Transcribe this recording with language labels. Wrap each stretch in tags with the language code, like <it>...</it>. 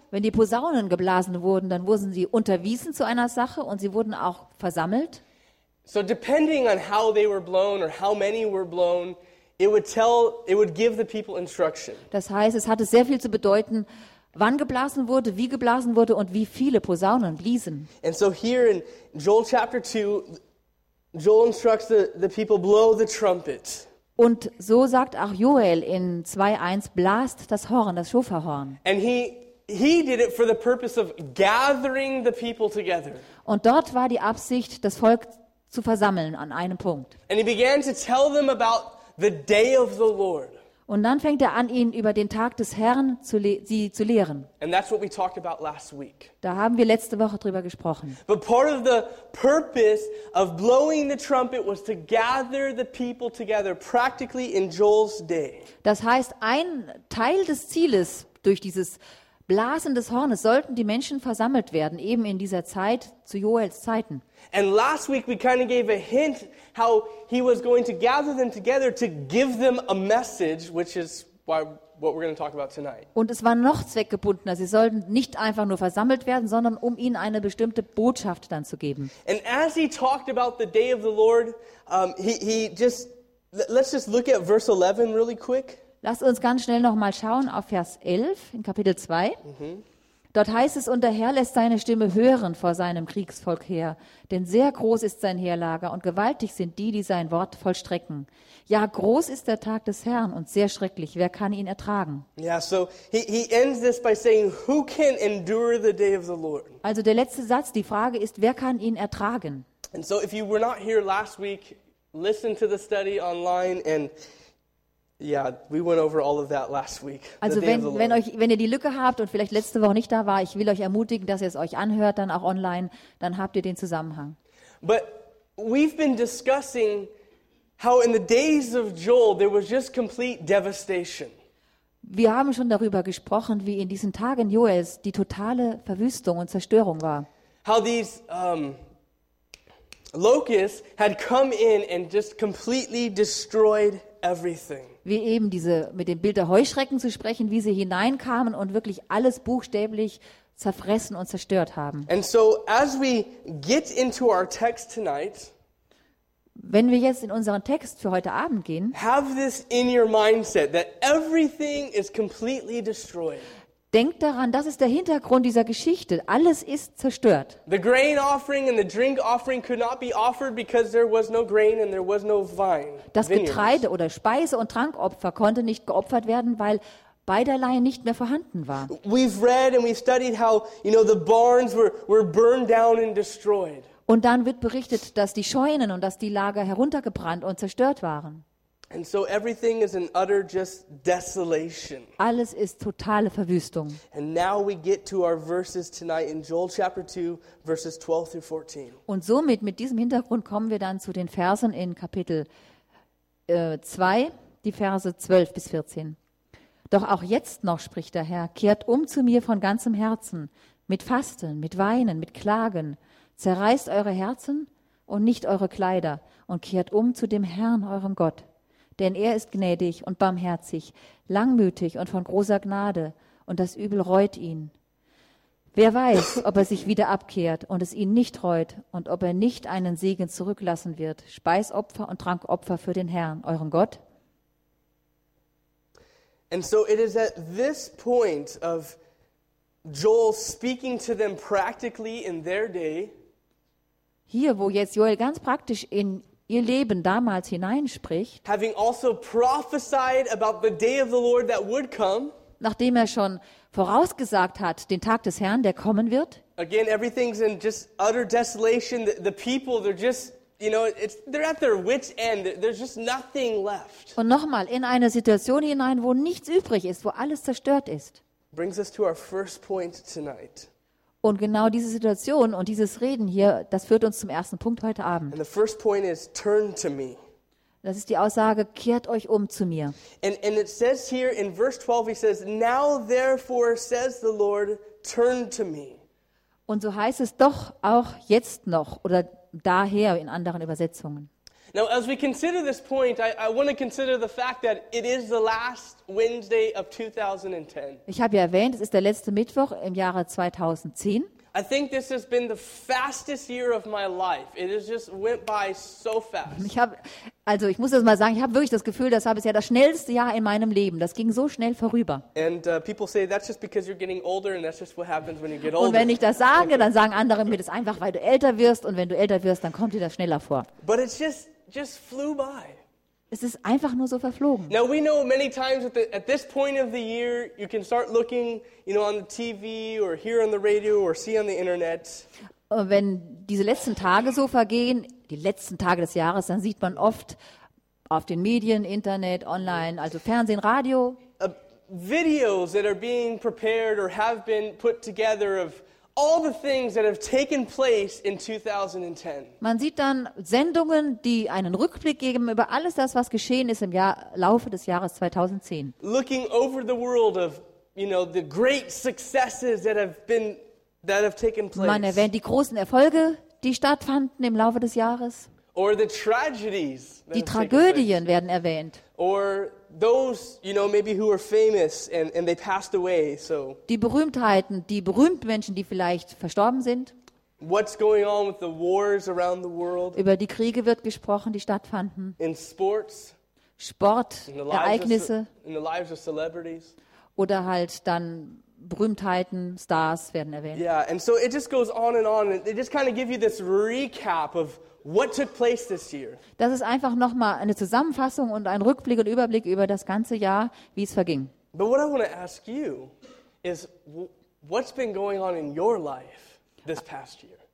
<de>Wenn die Posaunen geblasen wurden, dann wurden sie unterwiesen zu einer Sache und sie wurden auch versammelt.</de> <en>So depending on how they were blown or how many were blown, it would give the people instruction.</en> <de>Das heißt, es hatte sehr viel zu bedeuten, wann geblasen wurde, wie geblasen wurde und wie viele Posaunen bliesen.</de> <en>And so here in Joel chapter 2, Joel instructs the people, blow the trumpet.</en> <de>Und so sagt auch Joel in 2:1, blast das Horn, das Schofarhorn.</de> <en>And he did it for the purpose of gathering the people together.</en> <de>Und dort war die Absicht, das Volk zu versammeln an einem Punkt.</de> <en>And he began to tell them about the day of the Lord.</en> <de>Und dann fängt er an, ihnen über den Tag des Herrn zu lehren.</de> <en>And that's what we talked about last week.</en> <de>Da haben wir letzte Woche drüber gesprochen.</de> <en>But part of the purpose of blowing the trumpet was to gather the people together, practically in Joel's day.</en> <de>Das heißt, ein Teil des Zieles durch dieses Blasen des Hornes sollten die Menschen versammelt werden, eben in dieser Zeit, zu Joels Zeiten.</de> <en>And last week we kind of gave a hint how he was going to gather them together to give them a message, which is what we're going to talk about tonight.</en> <de>Und es war noch zweckgebundener. Sie sollten nicht einfach nur versammelt werden, sondern um ihnen eine bestimmte Botschaft dann zu geben.</de> <en>And as he talked about the day of the Lord, let's just look at verse 11 really quick.</en> <de>Lass uns ganz schnell noch mal schauen auf Vers 11 in Kapitel 2. Dort heißt es, und der Herr lässt seine Stimme hören vor seinem Kriegsvolk her. Denn sehr groß ist sein Heerlager und gewaltig sind die, die sein Wort vollstrecken. Ja, groß ist der Tag des Herrn und sehr schrecklich. Wer kann ihn ertragen?</de> <en>Yeah, so he ends this by saying, who can endure the day of the Lord?</en> <de>Also der letzte Satz, die Frage ist, wer kann ihn ertragen?</de> <en>And so if you were not here last week, listen to the study online and... Yeah, we went over all of that last week.</en> <de>Also wenn ihr die Lücke habt und vielleicht letzte Woche nicht da war, ich will euch ermutigen, dass ihr es euch anhört, dann auch online, dann habt ihr den Zusammenhang.</de> <en>But we've been discussing how in the days of Joel there was just complete devastation.</en> <de>Wir haben schon darüber gesprochen, wie in diesen Tagen Joels die totale Verwüstung und Zerstörung war.</de> <en>How these locusts had come in and just completely destroyed everything.</en> <de>Wie eben diese, mit dem Bild der Heuschrecken zu sprechen, wie sie hineinkamen und wirklich alles buchstäblich zerfressen und zerstört haben.</de> <en>And so as we get into our text tonight,</en> <de>wenn wir jetzt in unseren Text für heute Abend gehen,</de> <en>have this in your mindset that everything is completely destroyed.</en> <de>Denkt daran, das ist der Hintergrund dieser Geschichte. Alles ist zerstört.</de> <en>The grain offering and the drink offering could not be offered because there was no grain and there was no vine.</en> <de>Das Getreide oder Speise- und Trankopfer konnte nicht geopfert werden, weil beiderlei nicht mehr vorhanden war.</de> <en>We've read and we've studied how, you know, the barns were burned down and destroyed.</en> <de>Und dann wird berichtet, dass die Scheunen und dass die Lager heruntergebrannt und zerstört waren.</de> <en>And so everything is an utter just desolation.</en> <de>Alles ist totale Verwüstung.</de> <en>And now we get to our verses tonight in Joel chapter 2 verses 12 through 14.</en> <de>Und somit mit diesem Hintergrund kommen wir dann zu den Versen in Kapitel 2, die Verse 12 bis 14. Doch auch jetzt noch, spricht der Herr, kehrt um zu mir von ganzem Herzen, mit Fasten, mit Weinen, mit Klagen. Zerreißt eure Herzen und nicht eure Kleider und kehrt um zu dem Herrn, eurem Gott. Denn er ist gnädig und barmherzig, langmütig und von großer Gnade, und das Übel reut ihn. Wer weiß, ob er sich wieder abkehrt und es ihn nicht reut und ob er nicht einen Segen zurücklassen wird, Speisopfer und Trankopfer für den Herrn, euren Gott.</de> <en>And so it is at this point of Joel speaking to them practically in their day.</en> <de>Hier, wo jetzt Joel ganz praktisch in ihr Leben damals hineinspricht.</de> <en>Having also prophesied about the day of the Lord that would come.</en> <de>Nachdem er schon vorausgesagt hat, den Tag des Herrn, der kommen wird.</de> <en>Again, everything's in just utter desolation. The people, they're just, you know, it's, they're at their wit's end. There's just nothing left.</en> <de>Und nochmal, in eine Situation hinein, wo nichts übrig ist, wo alles zerstört ist.</de> <en>Brings us to our first point tonight.</en> <de>Und genau diese Situation und dieses Reden hier, das führt uns zum ersten Punkt heute Abend.</de> <en>And the first point is, turn to me.</en> <de>Das ist die Aussage, kehrt euch um zu mir.</de> <en>And it says here in verse 12, he says, now therefore says the Lord, turn to me.</en> <de>Und so heißt es doch auch jetzt noch oder daher in anderen Übersetzungen.</de> <en>Now as we consider this point, I want to consider the fact that it is the last Wednesday of 2010.</en> <de>Ich habe ja erwähnt, es ist der letzte Mittwoch im Jahre 2010.</de> <en>I think this has been the fastest year of my life. It has just went by so fast.</en> <de>Ich muss das mal sagen, ich habe wirklich das Gefühl, das war bisher das schnellste Jahr in meinem Leben. Das ging so schnell vorüber.</de> <en>And people say that's just because you're getting older and that's just what happens when you get older.</en> <de>Und wenn ich das sage, dann sagen andere mir das einfach, weil du älter wirst, und wenn du älter wirst, dann kommt dir das schneller vor.</de> <en>But it's just flew by.</en> <de>Es ist einfach nur so verflogen.</de> <en>Now we know many times at this point of the year you can start looking, you know, on the TV or hear on the radio or see on the internet.</en> <de>Und wenn diese letzten Tage so vergehen, die letzten Tage des Jahres, dann sieht man oft auf den Medien, Internet, online, also Fernsehen, Radio,</de> <en>Videos that are being prepared or have been put together of all the things that have taken place in 2010.</en> <de>Man sieht dann Sendungen, die einen Rückblick geben über alles das, was geschehen ist im Laufe des Jahres 2010.</de> <en>Looking over the world of, you know, the great successes that have taken place.</en> <de>Man erwähnt die großen Erfolge, die stattfanden im Laufe des Jahres.</de> <en>Or the tragedies.</en> <de>Die Tragödien werden erwähnt.</de> <en>Or those, you know, maybe who are famous and they passed away, so.</en> <de>Die Berühmtheiten, die berühmten Menschen, die vielleicht verstorben sind.</de> <en>What's going on with the wars around the world?</en> <de>Über die Kriege wird gesprochen, die stattfanden.</de> <en>In sports.</en> <de>Sport, Ereignisse.</de> <en>In the lives of celebrities.</en> <de>Oder halt dann Berühmtheiten, Stars werden erwähnt.</de> <en>Yeah, and so it just goes on and on. They just kind of give you this recap of what took place this year?</en> <de>Das ist einfach nochmal eine Zusammenfassung und ein Rückblick und Überblick über das ganze Jahr, wie es verging.</de> <en>But what I want to ask you is, what's been going on in your life this past year?</en>